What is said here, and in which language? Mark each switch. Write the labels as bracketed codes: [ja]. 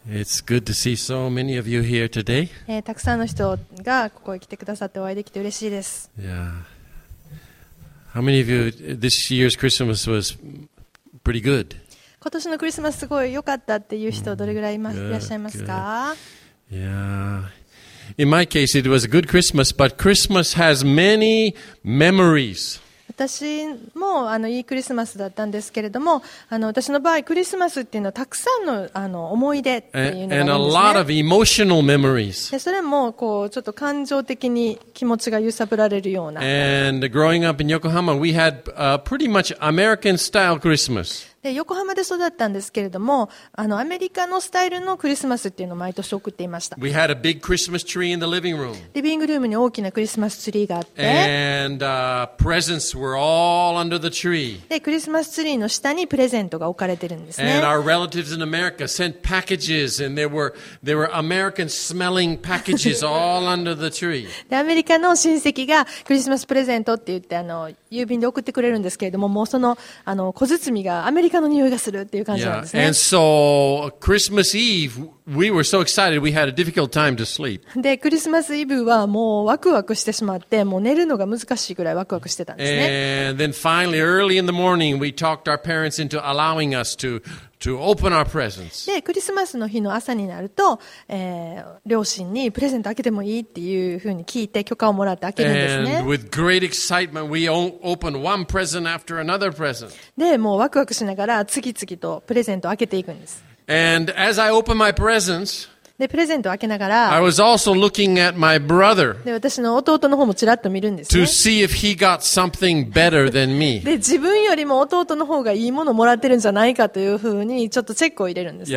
[en] It's good to see so many of you here today. [ja] たくさんの人がここへ来てくださってお会いできて嬉しいです。 [en] Yeah. How many of you, this year's Christmas was pretty good? [ja] 今年のクリスマスすごい良かったっていう人どれぐらいいらっしゃいますか? [en] Yeah. In my case, it was a good Christmas, but Christmas has many memories. [ja] 私もいいクリスマスだったんですけれども私の場合クリスマスっていうのはたくさん の思い出っていうのがあるんですね [en] and a lot of emotional memories. [ja] でそれもこうちょっと感情的に気持ちが揺さぶられるような [en] and growing up in Yokohama we had a pretty much American style Christmas. [ja] で横浜で育ったんですけれどもアメリカのスタイルのクリスマスっていうのを毎年送っていました [en] we had a big Christmas tree in the living room. [ja] リビングルームに大きなクリスマスツリーがあって [en] and presentsWe're all under the tree. [ja] で、クリスマスツリーの下にプレゼントが置かれてるんですね。 [en] And our relatives in America sent packages, and there were American smelling packages all under the tree. [ja] で、アメリカの親戚がクリスマスプレゼントって言って郵便で送ってくれるんですけれども、もうその小包がアメリカの匂いがするっていう感じなんですね。 [en] Yeah. And so Christmas Eve, we were so excited we had a difficult time to sleep. [ja] で、クリスマスイブはもうワクワクしてしまって、もう寝るのが難しいくらいワクワクしてた。 [en] And then finally, early in the morning, we talked our parents into allowing us to open our presents. [ja] で、クリスマスの日の朝になると、両親にプレゼント開けてもいいっていうふうに聞いて許可をもらって開けるんですね。 [en] And with great excitement, we opened one present after another present. [ja] で、もうワクワクしながら次々とプレゼントを開けていくんです。 [en] And as I opened my presents, [ja] でプレゼントを開けながら [en] I was also looking at my brother [ja] で私の弟の方もちらっと見るんですね [en] to see if he got something better than me. [ja] で自分よりも弟の方がいいものをもらってるんじゃないかというふうにちょっとチェックを入れるんですね